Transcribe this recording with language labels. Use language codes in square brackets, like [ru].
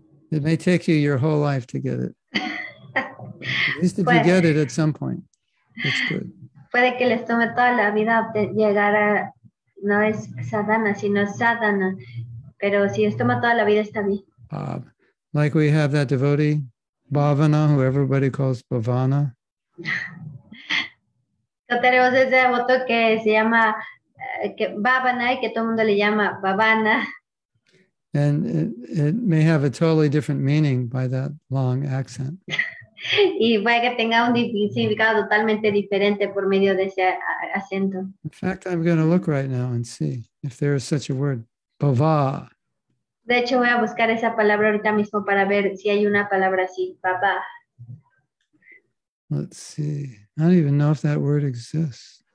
[en] It may take you your whole life to get it. At least if you get it at some point, it's good. [es] Puede que les tome toda la vida llegar a, no es sadhana, sino sadhana. Pero si les toma toda la vida, está bien. [en] Like we have that devotee, Bhavana, who everybody calls Bhavana. [es] No tenemos ese devoto que se llama Bhavana y que todo el mundo le llama Bhavana. [en] And it may have a totally different meaning by that long accent. [es] Y puede que tenga un significado totalmente diferente por medio de ese acento. [en] In fact, I'm going to look right now and see if there is such a word, Bhava. [es] De hecho, voy a buscar esa palabra ahorita mismo para ver si hay una palabra así, Bhava. [en] Let's see. I don't even know if that word exists.